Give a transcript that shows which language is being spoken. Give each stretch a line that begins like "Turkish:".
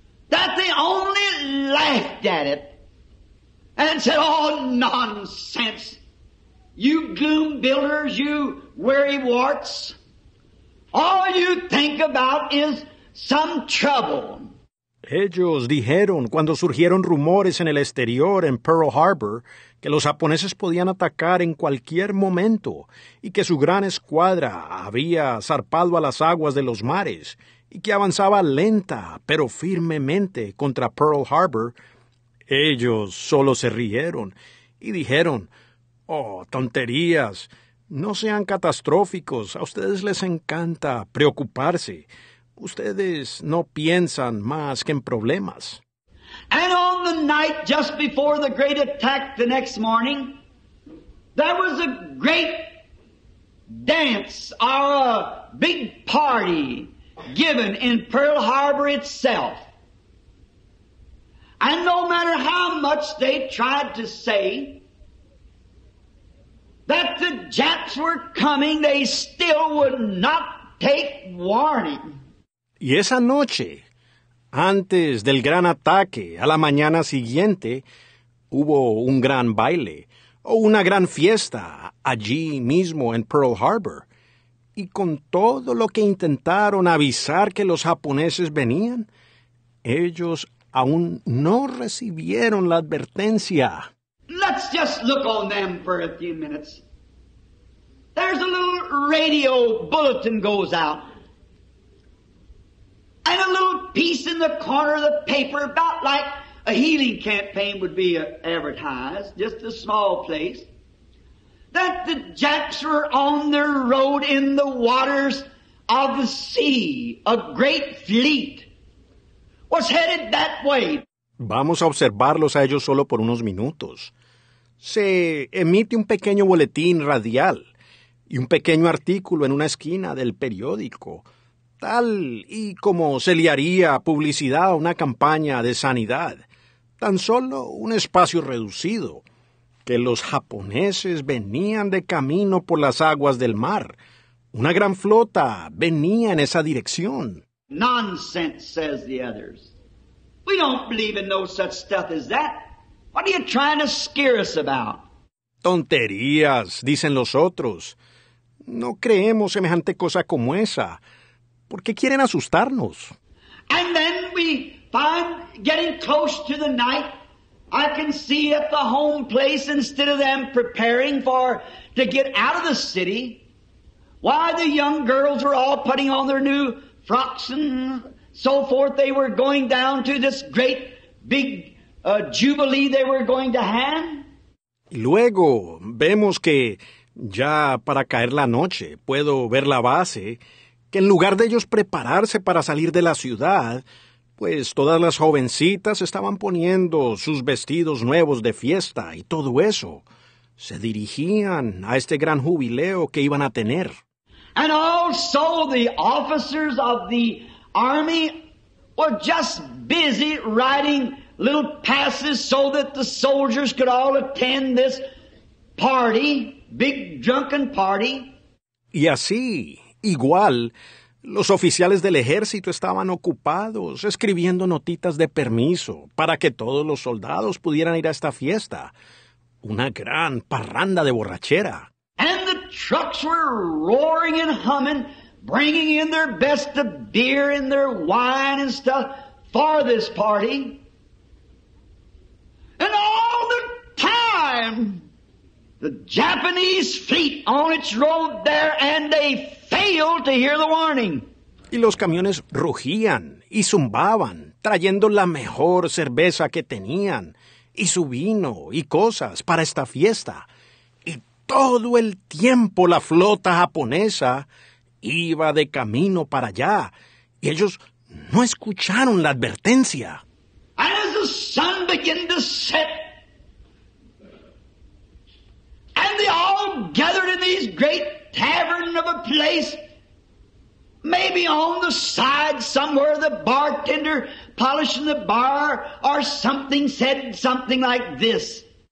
English: that they only laughed at it and said, "Oh, nonsense, you gloom builders, you weary warts. All you think about is some trouble."
Spanish: Ellos dijeron, cuando surgieron rumores en el exterior, en Pearl Harbor, que los japoneses podían atacar en cualquier momento y que su gran escuadra había zarpado a las aguas de los mares y que avanzaba lenta pero firmemente contra Pearl Harbor, ellos solo se rieron y dijeron, "Oh, tonterías, no sean catastróficos, a ustedes les encanta preocuparse. Ustedes no piensan más que en problemas."
English: And on the night just before the great attack the next morning, there was a great dance or a big party given in Pearl Harbor itself. And no matter how much they tried to say that the Japs were coming, they still would not take warning.
Spanish: Y esa noche, antes del gran ataque, a la mañana siguiente, hubo un gran baile o una gran fiesta allí mismo en Pearl Harbor. Y con todo lo que intentaron avisar que los japoneses venían, ellos aún no recibieron la advertencia.
English: Let's just look on them for a few minutes. There's a little radio bulletin goes out. And a little piece in the corner of the paper, about like a healing campaign would be advertised, just a small place, that the Japs were on their road in the waters of the sea, a great fleet, was headed that way.
Spanish: Vamos a observarlos a ellos solo por unos minutos. Se emite un pequeño boletín radial y un pequeño artículo en una esquina del periódico, tal y como se le haría publicidad a una campaña de sanidad. Tan solo un espacio reducido, que los japoneses venían de camino por las aguas del mar. Una gran flota venía en esa dirección.
English: Nonsense, says the others. We don't believe in no such stuff as that. What are you trying to scare us about?
Spanish: Tonterías, dicen los otros. No creemos semejante cosa como esa. ¿Por qué quieren asustarnos?
English: And then we find getting close to the night. I can see at the home place instead of them preparing for to get out of the city. Why, the young girls were all putting on their new frocks and so forth. They were going down to this great big jubilee they were going to have.
Spanish: Y luego vemos que ya para caer la noche puedo ver la base, que en lugar de ellos prepararse para salir de la ciudad, pues todas las jovencitas estaban poniendo sus vestidos nuevos de fiesta y todo eso. Se dirigían a este gran jubileo que iban a tener.
English: And also the officers of the army were just busy writing little passes so that the soldiers could all attend this party, big drunken party.
Spanish: Y así, igual, los oficiales del ejército estaban ocupados escribiendo notitas de permiso para que todos los soldados pudieran ir a esta fiesta. Una gran parranda de borrachera.
English: And the trucks were roaring and humming, bringing in their best of beer and their wine and stuff for this party. And all the time, the Japanese fleet on its road there, and they failed to hear the warning.
Spanish: Y los camiones rugían y zumbaban, trayendo la mejor cerveza que tenían, y su vino y cosas para esta fiesta. Todo el tiempo la flota japonesa iba de camino para allá, y ellos no escucharon la advertencia.
English: As the sun began to set, and they all gathered in these great tavern of a place, maybe on the side somewhere, the bartender polishing the bar or something said something like this.